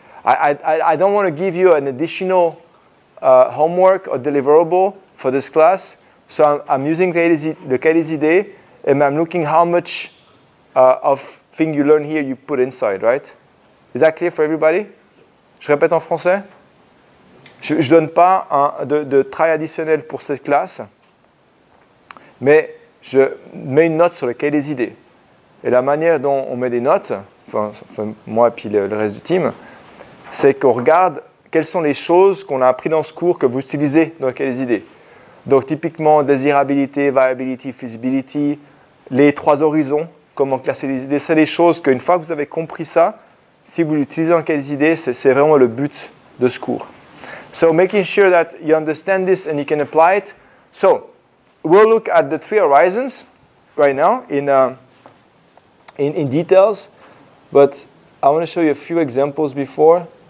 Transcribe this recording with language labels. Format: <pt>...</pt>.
<en>I don't want to give you an additional homework or deliverable for this class, so I'm using the cahier des idées, and I'm looking how much of thing you learn here you put inside, right? Is that clear for everybody?</en> <fr>Je répète en français. Je donne pas de travail additionnel pour cette classe, mais je mets une note sur le cahier des idées. Et la manière dont on met des notes, enfin moi et puis le reste du team, c'est qu'on regarde quelles sont les choses qu'on a apprises dans ce cours que vous utilisez dans le cahier des idées. Donc typiquement, désirabilité, viability, feasibility, les trois horizons, comment classer les idées, c'est les choses qu'une fois que vous avez compris ça, si vous l'utilisez dans le cahier des idées, c'est vraiment le but de ce cours.</fr> <en>So making sure that you understand this and you can apply it. So we'll look at the three horizons right now in details, but I want to show you a few examples before.</en>